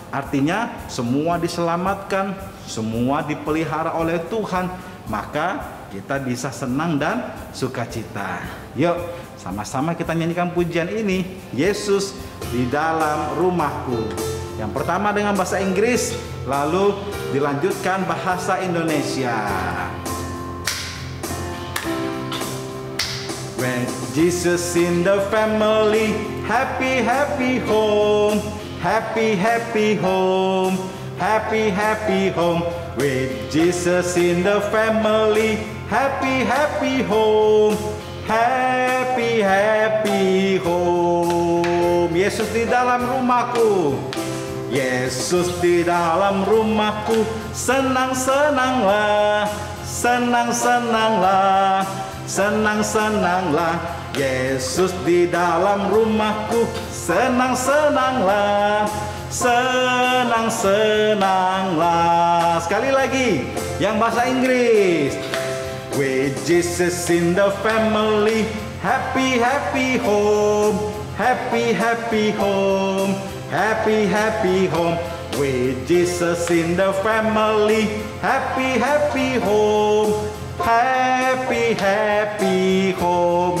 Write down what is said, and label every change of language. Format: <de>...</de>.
<id>Artinya semua diselamatkan, semua dipelihara oleh Tuhan, maka kita bisa senang dan sukacita. Yuk, sama-sama kita nyanyikan pujian ini. Yesus di dalam rumahku. Yang pertama dengan bahasa Inggris, lalu dilanjutkan bahasa Indonesia.</id> <en>When Jesus in the family, happy happy home, happy happy home, happy happy home. With Jesus in the family, happy happy home, happy happy home.</en> <id>Yesus di dalam rumahku, Yesus di dalam rumahku, senang-senanglah, senang-senanglah, senang-senanglah. Yesus di dalam rumahku, senang-senanglah, senang-senanglah. Sekali lagi, yang bahasa Inggris.</id> <en>With Jesus in the family, happy happy home, happy happy home, happy happy home. With Jesus in the family, happy happy home, happy happy home.</en>